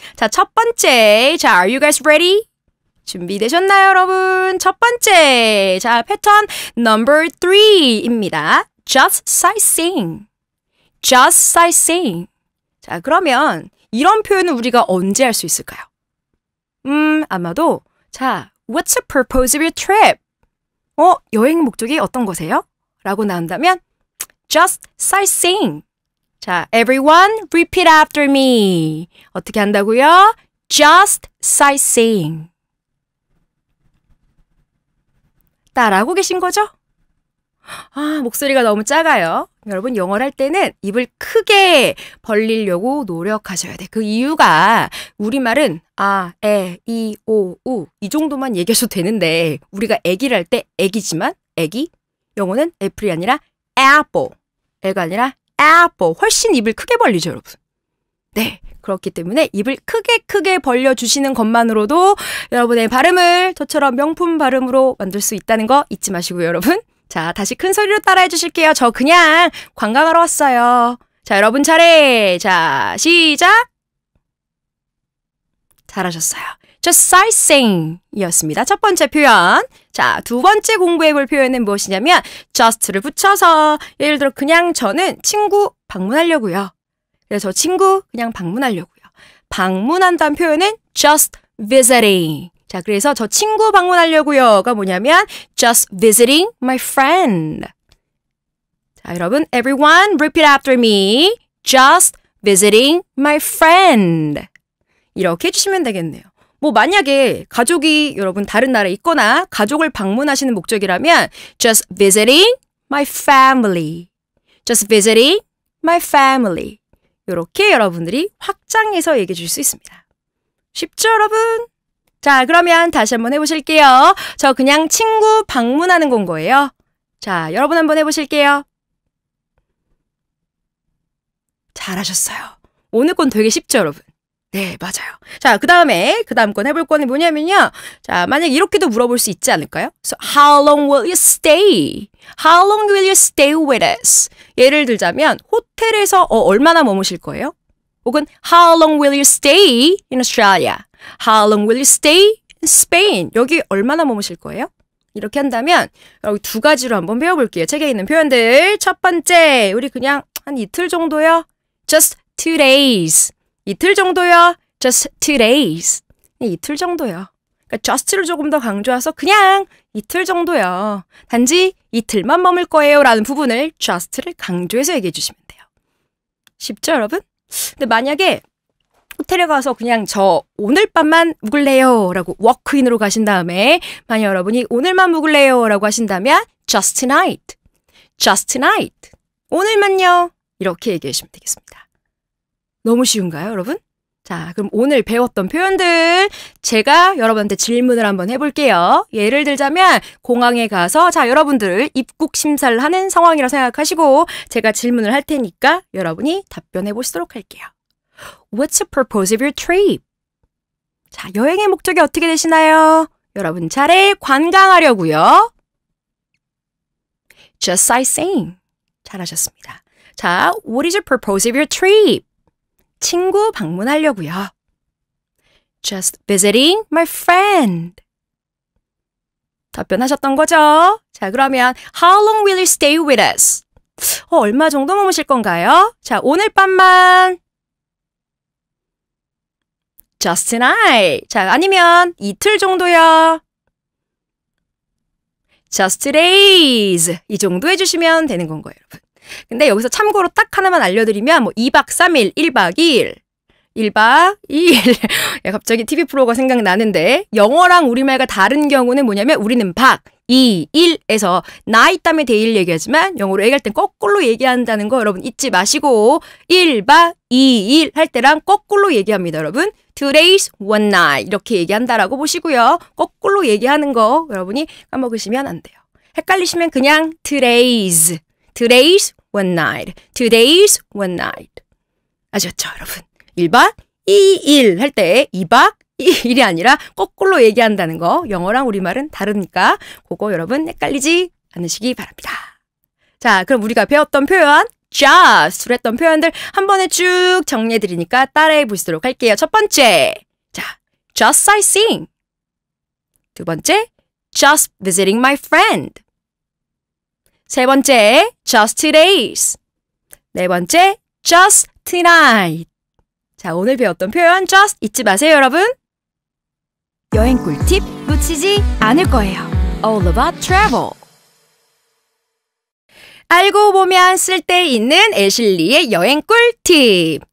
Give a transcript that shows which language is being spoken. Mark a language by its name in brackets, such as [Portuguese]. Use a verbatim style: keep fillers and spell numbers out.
[Korean] 자, 첫 번째. 자, [English] are you guys ready? [Korean] 준비되셨나요, 여러분? 첫 번째. 자, 패턴 넘버 삼입니다. [English] Just sightseeing. Just sightseeing. [Korean] 자, 그러면 이런 표현은 우리가 언제 할 수 있을까요? 음, 아마도 자, [English] what's the purpose of your trip? [Korean] 어, 여행 목적이 어떤 거세요? 라고 나온다면 [English] just sightseeing. 자, everyone repeat after me. [Korean] 어떻게 한다고요? [English] Just sightseeing. [Korean] 따라하고 계신 거죠? 아, 목소리가 너무 작아요. 여러분, 영어를 할 때는 입을 크게 벌리려고 노력하셔야 돼. 그 이유가 우리말은 아, 에, 이, 오, 우 이 정도만 얘기하셔도 되는데 우리가 애기를 할 때 애기지만 애기, 영어는 애플이 아니라 apple, 애가 아니라 apple. 훨씬 입을 크게 벌리죠, 여러분. 네, 그렇기 때문에 입을 크게 크게 벌려주시는 것만으로도 여러분의 발음을 저처럼 명품 발음으로 만들 수 있다는 거 잊지 마시고요, 여러분. 자, 다시 큰 소리로 따라해 주실게요. 저 그냥 관광하러 왔어요. 자, 여러분 차례. 자, 시작. 잘하셨어요. [English] Just sightseeing [Korean] 이었습니다. 첫 번째 표현. 자, 두 번째 공부해 볼 표현은 무엇이냐면 just를 붙여서, 예를 들어 그냥 저는 친구 방문하려고요. 그래서 친구 그냥 방문하려고요. 방문한다는 표현은 [English] just visiting. [Korean] 자, 그래서 저 친구 방문하려고요가 뭐냐면 [English] just visiting my friend. [Korean] 자, 여러분 [English] everyone repeat after me. just visiting my friend. [Korean] 이렇게 해주시면 되겠네요. 뭐 만약에 가족이 여러분 다른 나라에 있거나 가족을 방문하시는 목적이라면 [English] just visiting my family. just visiting my family. [Korean] 이렇게 여러분들이 확장해서 얘기해 줄 수 있습니다. 쉽죠, 여러분? 자, 그러면 다시 한번 해보실게요. 저 그냥 친구 방문하는 건 거예요. 자, 여러분 한번 해보실게요. 잘하셨어요. 오늘 건 되게 쉽죠, 여러분? 네, 맞아요. 자, 그 다음에 그 다음 건 해볼 거는 뭐냐면요. 자, 만약에 이렇게도 물어볼 수 있지 않을까요? [English] So, how long will you stay? How long will you stay with us? [Korean] 예를 들자면 호텔에서 어, 얼마나 머무실 거예요? 혹은 [English] how long will you stay in Australia? How long will you stay in Spain? [Korean] 여기 얼마나 머무실 거예요? 이렇게 한다면 여기 두 가지로 한번 배워볼게요. 책에 있는 표현들. 첫 번째, 우리 그냥 한 이틀 정도요. [English] Just two days. [Korean] 이틀 정도요. [English] Just two days. 이틀 정도요. [Korean] 그러니까 just를 조금 더 강조해서 그냥 이틀 정도요. 단지 이틀만 머물 거예요 라는 부분을 just를 강조해서 얘기해 주시면 돼요. 쉽죠, 여러분? 근데 만약에 호텔에 가서 그냥 저 오늘 밤만 묵을래요 라고 워크인으로 가신 다음에 만약 여러분이 오늘만 묵을래요 라고 하신다면 [English] just tonight. just tonight. [Korean] 오늘만요. 이렇게 얘기해 주시면 되겠습니다. 너무 쉬운가요, 여러분? 자, 그럼 오늘 배웠던 표현들 제가 여러분한테 질문을 한번 해볼게요. 예를 들자면 공항에 가서 자, 여러분들 입국 심사를 하는 상황이라 생각하시고 제가 질문을 할 테니까 여러분이 답변해 보시도록 할게요. [English] What's the purpose of your trip? [Korean] 자, 여행의 목적이 어떻게 되시나요? 여러분 차례. 관광하려고요. [English] Just sightseeing. [Korean] 잘하셨습니다. [English] 자, what is the purpose of your trip? [Korean] 친구 방문하려고요. [English] Just visiting my friend. [Korean] 답변하셨던 거죠? 자, 그러면 [English] How long will you stay with us? [Korean] 어, 얼마 정도 머무실 건가요? 자, 오늘 밤만. [English] Just tonight. [Korean] 자, 아니면 이틀 정도요. [English] Just days. [Korean] 이 정도 해주시면 되는 건 거예요, 여러분. 근데 여기서 참고로 딱 하나만 알려드리면 뭐 이 박 삼 일, 일 박 이 일, 일 박 이 일. 야, 갑자기 티비 프로가 생각나는데 영어랑 우리말과 다른 경우는 뭐냐면 우리는 박, 이, 일에서 night 다음에 데이를 얘기하지만 영어로 얘기할 땐 거꾸로 얘기한다는 거 여러분 잊지 마시고 일 박 이 일 할 때랑 거꾸로 얘기합니다, 여러분. [English] Two days, one night [Korean] 이렇게 얘기한다라고 보시고요. 거꾸로 얘기하는 거 여러분이 까먹으시면 안 돼요. 헷갈리시면 그냥 [English] two days, two days, one night, two days, one night. [Korean] 아셨죠, 여러분? 일 박 이 일 할 때 이 박 이 일이 아니라 거꾸로 얘기한다는 거. 영어랑 우리말은 다르니까 그거 여러분 헷갈리지 않으시기 바랍니다. 자, 그럼 우리가 배웠던 표현 just로 했던 표현들 한 번에 쭉 정리해드리니까 따라해 보시도록 할게요. 첫 번째, 자, [English] just sightseeing. [Korean] 두 번째, [English] just visiting my friend. [Korean] 세 번째, [English] just two days. [Korean] 네 번째, [English] just tonight. [Korean] 자, 오늘 배웠던 표현 just 잊지 마세요, 여러분. 여행 꿀팁 놓치지 않을 거예요. [English] All about travel. [Korean] 알고 보면 쓸데있는 애슐리의 여행 꿀팁.